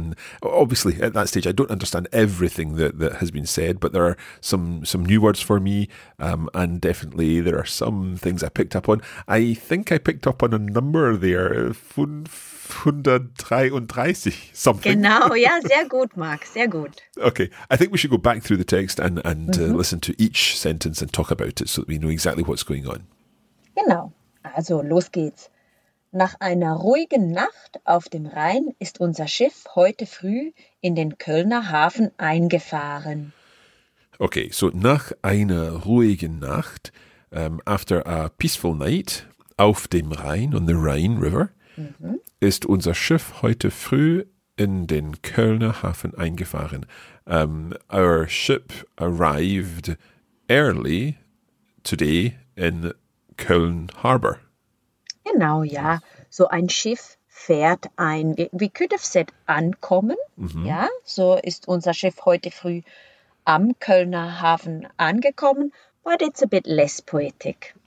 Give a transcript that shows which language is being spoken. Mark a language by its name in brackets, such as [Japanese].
[English] And obviously, at that stage, I don't understand everything that has been said, but there are some new words for me. And definitely, there are some things I picked up on. I think I picked up on a number there, 533 something. [German] Genau, ja, sehr gut, Marc, sehr gut. [English] Okay, I think we should go back through the text and listen to each sentence and talk about it so that we know exactly what's going on. [German] Genau, also los geht's. Nach einer ruhigen Nacht auf dem Rhein ist unser Schiff heute früh in den Kölner Hafen eingefahren. [English] Okay, so [German] nach einer ruhigen Nacht, [English] after a peaceful night, [German] auf dem Rhein, [English] on the Rhine River, [German] ist unser Schiff heute früh in den Kölner Hafen eingefahren. [English] Our ship arrived early today in Köln Harbor. [German] Genau, ja. So ein Schiff fährt ein, [English] we could have said [German] ankommen, ja. So ist unser Schiff heute früh am Kölner Hafen angekommen, [English] but it's a bit less poetic.